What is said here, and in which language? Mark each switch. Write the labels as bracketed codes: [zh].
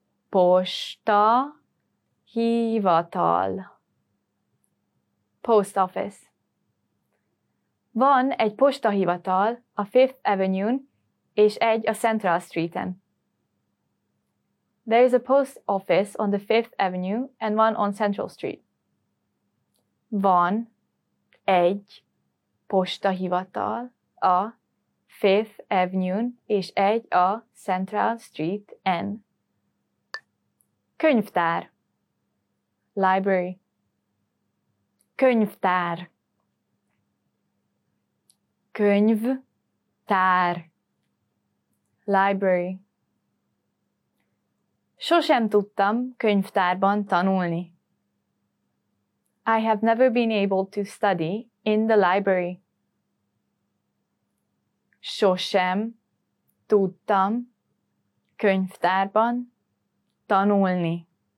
[hu] Posta hivatal. post office. Van egy postahivatal a Fifth Avenue-n és egy a Central Street-en. [en] There is a post office on the Fifth Avenue and one on Central Street. [hu] Van egy postahivatal a Fifth Avenue-n és egy a Central Street-en. Könyvtár. Library. Könyvtár. Könyvtár. Library. Sosem tudtam könyvtárban tanulni. [en] I have never been able to study in the library. [hu] Sosem tudtam könyvtárban tanulni.